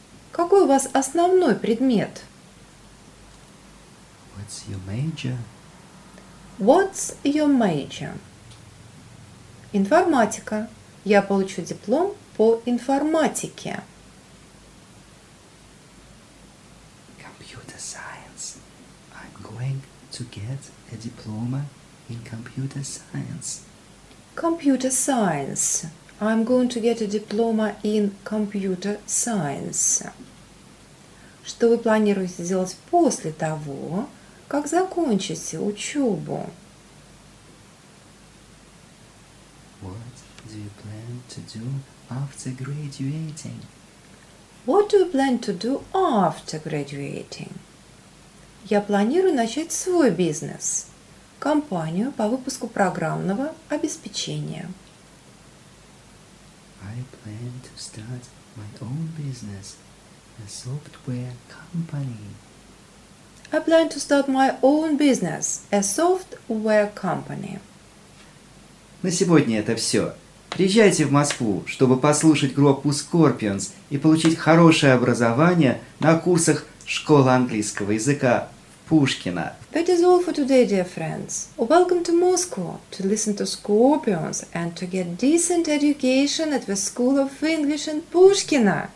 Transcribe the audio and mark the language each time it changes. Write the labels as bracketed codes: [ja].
[ru] Какой у вас основной предмет? [en] What's your major? What's your major? [ru] Информатика. Я получу диплом по информатике. [en] Computer science. I'm going to get a diploma in computer science. Computer science. I'm going to get a diploma in computer science. [ru] Что вы планируете сделать после того, как закончите учебу? [en] What do you plan to do after graduating? What do you plan to do after graduating? [ru] Я планирую начать свой бизнес, компанию по выпуску программного обеспечения. [en] I plan to start my own business, a software company. I plan to start my own business, a software company. [ru] На сегодня это все. Приезжайте в Москву, чтобы послушать группу Scorpions и получить хорошее образование на курсах школы английского языка Пушкина. [en] That is all for today, dear friends. Welcome to Moscow to listen to Scorpions and to get decent education at the School of English in Пушкина.